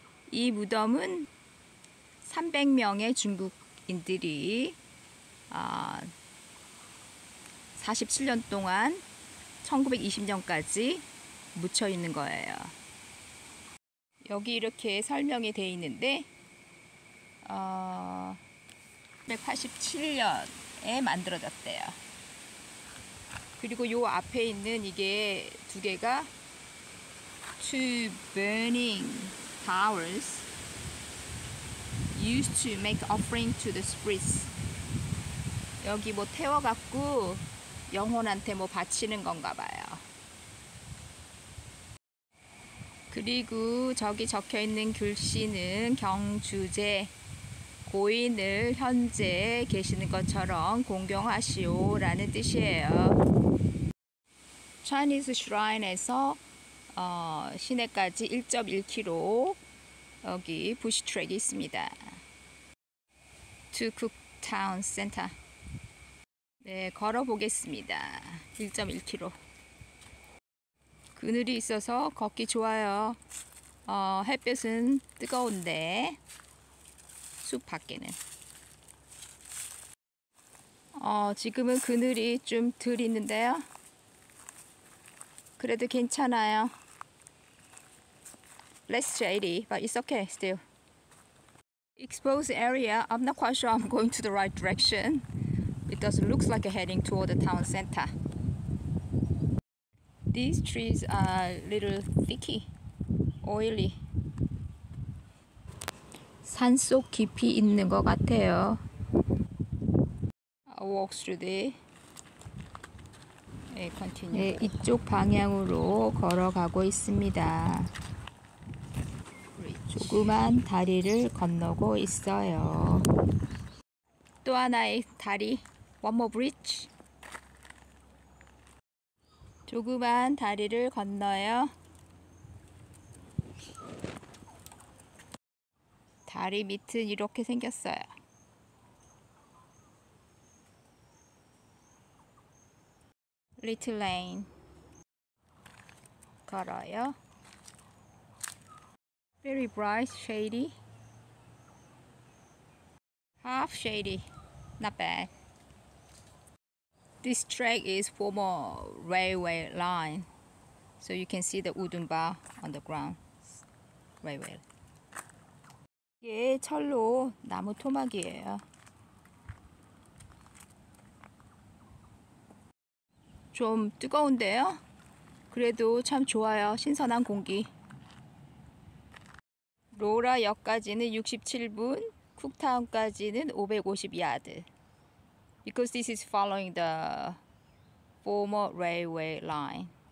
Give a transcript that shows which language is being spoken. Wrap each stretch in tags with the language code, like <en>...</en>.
<ko>이 무덤은 300명의 중국인들이 47년 동안 1920년까지 묻혀 있는 거예요. 여기 이렇게 설명이 되어 있는데 1987년에 만들어졌대요. 그리고 요 앞에 있는 이게 두 개가</ko> <en>two burning towers used to make offering to the spirits.</en> <ko>여기 뭐 태워 갖고 영혼한테 뭐 바치는 건가 봐요. 그리고 저기 적혀 있는 글씨는 경주제 고인을 현재 계시는 것처럼 공경하시오 라는 뜻이에요. Chinese Shrine에서 시내까지 1.1km 여기 부시 트랙이 있습니다.</ko> <en>To Cook Town Center.</en> <ko>네, 걸어보겠습니다.</ko> <en>1.1km.</en> <ko>그늘이 있어서 걷기 좋아요. 햇볕은 뜨거운데 숲 밖에는. 지금은 그늘이 좀 덜 있는데요. 그래도 괜찮아요.</ko> <en>Less shady, but it's okay still. Exposed area. I'm not quite sure I'm going to the right direction. It does look like a heading toward the town center. These trees are a little thicky, oily.</en> <ko>산속 깊이 있는 것 같아요.</ko> <en>I'll walk through the.</en> <ko>네,</ko> <en>continue.</en> <ko>네, 이쪽 방향으로 걸어가고 있습니다. 조그만 다리를 건너고 있어요. 또 하나의 다리.</ko> <en>One more bridge.</en> <ko>조그만 다리를 건너요. 다리 밑은 이렇게 생겼어요. 리틀 레인 걸어요.</ko> <en>Very bright, shady. Half shady, not bad. This track is former railway line. So you can see the wooden bar on the ground. Railway.</en> <ko>이게 철로 나무 토막이에요. 좀 뜨거운데요? 그래도 참 좋아요. 신선한 공기. 로라 역까지는 67분, 쿡타운까지는 550야드.</ko> <en>Because this is following the former railway line.</en>